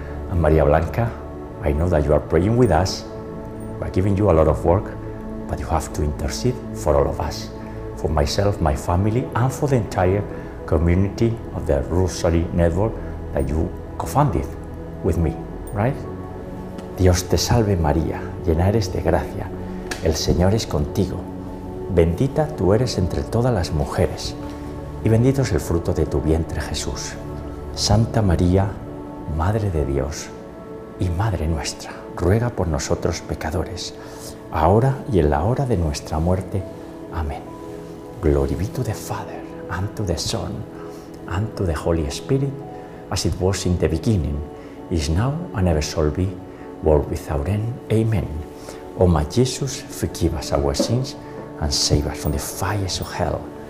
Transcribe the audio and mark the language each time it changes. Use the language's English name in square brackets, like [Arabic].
[English] And Maria Blanca, I know that you are praying with us. We're giving you a lot of work, but you have to intercede for all of us, for myself, my family, and for the entire community of the Rosary Network that you co-founded with me, right? [Spanish] Dios te salve, María. Llena eres de gracia, el Señor es contigo, bendita tú eres entre todas las mujeres, y bendito es el fruto de tu vientre, Jesús. Santa María, Madre de Dios y Madre nuestra, ruega por nosotros pecadores, ahora y en la hora de nuestra muerte. Amén. [English] Glory be to the Father, and to the Son, and to the Holy Spirit, as it was in the beginning, is now, and ever shall be, world without end. Amen. O my Jesus, forgive us our sins, and save us from the fires of hell.